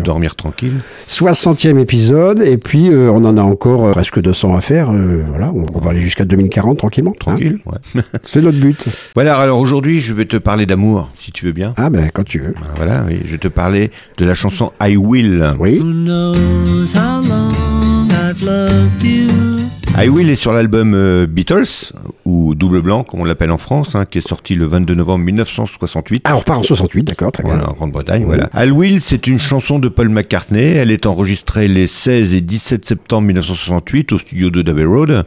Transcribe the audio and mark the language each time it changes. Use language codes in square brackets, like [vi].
[fr] Dormir tranquille. 60e épisode, et puis on en a encore presque 200 à faire. Voilà, on va aller jusqu'à 2040 tranquillement. Tranquille, hein, ouais. C'est notre but. Voilà, alors aujourd'hui je vais te parler d'amour, si tu veux bien. Ah ben quand tu veux. Ben, voilà, oui, je vais te parler de la chanson I Will. Oui. [en] Who knows how long I've loved you. [fr] I Will est sur l'album Beatles, ou Double Blanc, comme on l'appelle en France, hein, qui est sorti le 22 novembre 1968. Ah, on repart en 68, d'accord, très bien. Voilà, en Grande-Bretagne, oui. Voilà. I Will, c'est une chanson de Paul McCartney. Elle est enregistrée les 16 et 17 septembre 1968 au studio de Abbey Road.